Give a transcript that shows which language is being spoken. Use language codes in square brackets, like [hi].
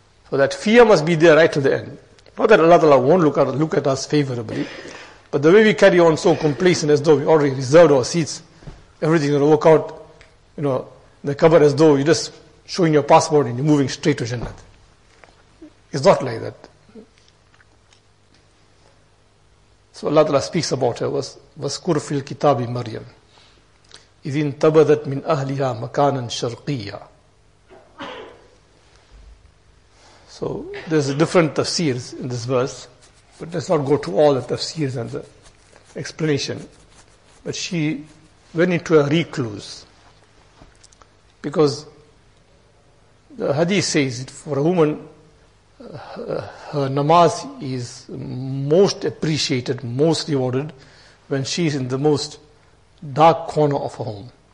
[en] So that fear must be there right to the end. Not that Allah Ta'ala won't look at us favorably, but the way we carry on so complacent as though we already reserved our seats, everything will work out you know, the cover as though you're just showing your passport and you're moving straight to Jannat. It's not like that. So Allah Ta'ala speaks about her, [ar] وَاسْكُرْ فِي الْكِتَابِ مَرْيَمِ إِذِ انْتَبَذَتْ مِنْ أَهْلِهَا مَكَانًا شَرْقِيًّا. [en] So there's different tafsirs in this verse, but let's not go to all the tafsirs and the explanation. But she went into a recluse, because the hadith says for a woman, her namaz is most appreciated, most rewarded, when she's in the most dark corner of a home.